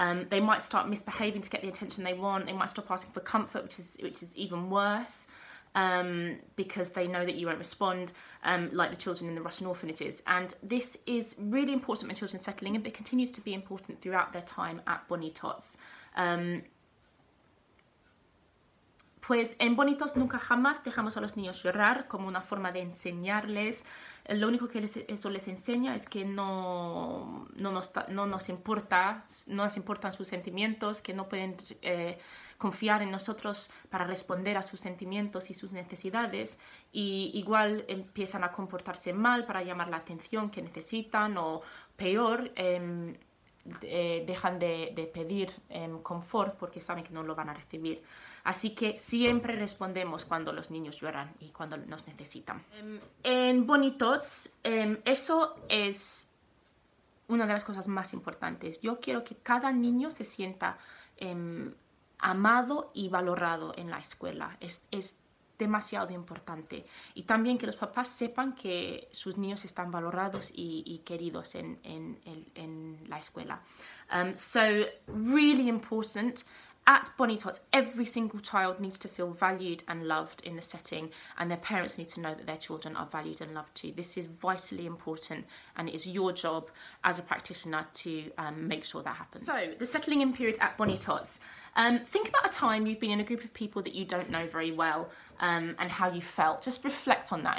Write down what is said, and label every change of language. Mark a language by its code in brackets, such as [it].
[en] They might start misbehaving to get the attention they want. They might stop asking for comfort, which is even worse, because they know that you won't respond, like the children in the Russian orphanages. And this is really important when children are settling in, but continues to be important throughout their time at Bonitots. [es] Pues en Bonitots nunca jamás dejamos a los niños llorar como una forma de enseñarles. Lo único que eso les enseña es que no nos importan sus sentimientos, que no pueden confiar en nosotros para responder a sus sentimientos y sus necesidades. Y igual empiezan a comportarse mal para llamar la atención que necesitan, o peor, dejan de pedir confort porque saben que no lo van a recibir. Así que siempre respondemos cuando los niños lloran y cuando nos necesitan. En Bonnie Tots, eso es una de las cosas más importantes. Yo quiero que cada niño se sienta amado y valorado en la escuela. Es demasiado importante. Y también que los papás sepan que sus niños están valorados y queridos en la escuela. [en] So, really important. At Bonnie Tots, every single child needs to feel valued and loved in the setting, and their parents need to know that their children are valued and loved too. This is vitally important, and it is your job as a practitioner to make sure that happens. So, the settling in period at Bonnie Tots. Think about a time you've been in a group of people that you don't know very well, and how you felt. Just reflect on that.